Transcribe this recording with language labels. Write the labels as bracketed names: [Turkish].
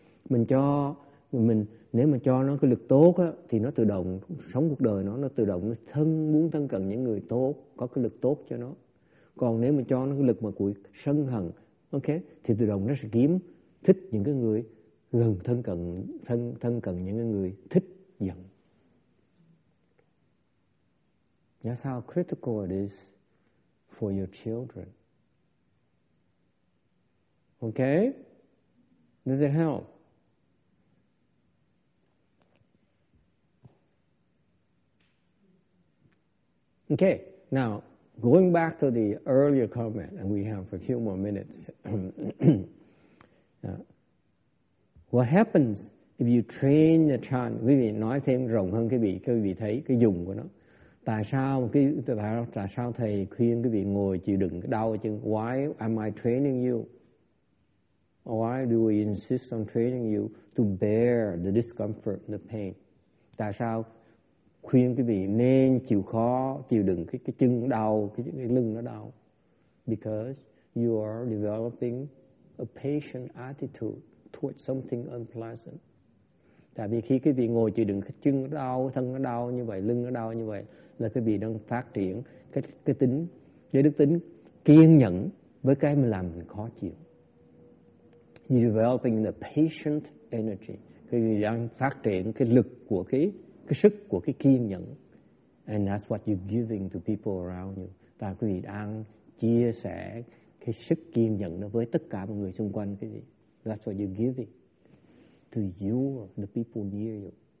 [Vietnamese] Mình cho, nếu mà cho nó cái lực tốt á, thì nó tự động, sống cuộc đời nó tự động muốn thân cận những người tốt, có cái lực tốt cho nó. Còn nếu mà cho nó cái lực mà của sân hận, okay, thì tự động nó sẽ kiếm thích những cái người gần thân cận những cái người thích giận. [English] That's how critical it is for your children. Okay? Does it help? Okay, now going back to the earlier comment, and we have a few more minutes. What happens if you train the child? [Vietnamese] Quý vị nói thêm rộng hơn cái vị thấy cái dùng của nó. Tại sao thầy khuyên cái vị ngồi chịu đựng cái đau ở chân? [English] Why am I training you? Why do we insist on training you to bear the discomfort, the pain? [Vietnamese] Tại sao khuyên quý vị nên chịu khó, chịu đựng cái chân đau, cái lưng nó đau? [English] Because you are developing a patient attitude towards something unpleasant. [Vietnamese] Tại vì khi quý vị ngồi chịu đựng cái chân đau, thân nó đau như vậy, lưng nó đau như vậy, là quý vị đang phát triển cái tính, cái đức tính kiên nhẫn với cái mình làm mình khó chịu. [English] You're developing the patient energy. [Vietnamese] Quý vị đang phát triển cái lực của cái sức của cái kiên nhẫn. [English] And that's what you're giving to people around you. [Vietnamese] Và quý vị đang chia sẻ cái sức kiên nhẫn đó với tất cả mọi người xung quanh quý vị. [English] That's what you're giving to you, the people near you.